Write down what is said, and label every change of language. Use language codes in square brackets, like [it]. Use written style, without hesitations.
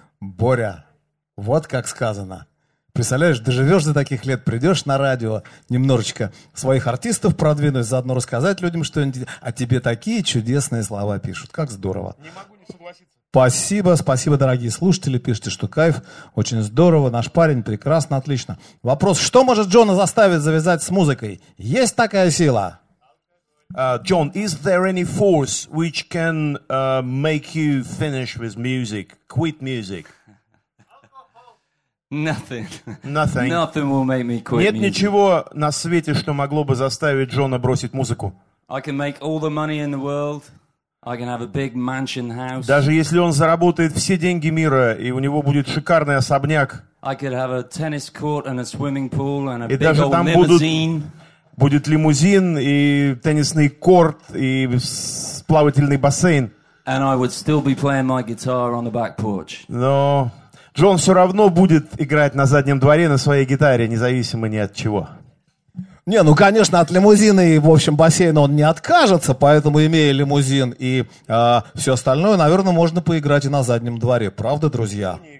[ru] Боря, вот как сказано. Представляешь, доживешь до таких лет, придешь на радио, немножечко своих артистов продвинуть, заодно рассказать людям что-нибудь, а тебе такие чудесные слова пишут. Как здорово. Не могу не согласиться. Спасибо, спасибо, дорогие слушатели, пишите, что кайф, очень здорово, наш парень прекрасно, отлично. Вопрос, что может Джона заставить завязать с музыкой? Есть такая сила? [en] John, is there any force which can make you finish with music, quit music? Nothing. Nothing. Nothing will make me quit. [ru] Нет ничего на свете, что могло бы заставить Джона бросить музыку. [en] I can make all the money in the world. I can have a big mansion house. [ru] Даже если он заработает все деньги мира и у него будет шикарный особняк. [en] I could have a tennis court and a swimming pool and a big [ru] И даже там будет лимузин и теннисный корт и плавательный бассейн. [en] And I would still be playing my guitar on the back porch. [ru] Но Джон все равно будет играть на заднем дворе на своей гитаре, независимо ни от чего. Не, ну, конечно, от лимузина и, в общем, бассейна он не откажется, поэтому, имея лимузин и все остальное, наверное, можно поиграть и на заднем дворе. Правда, друзья?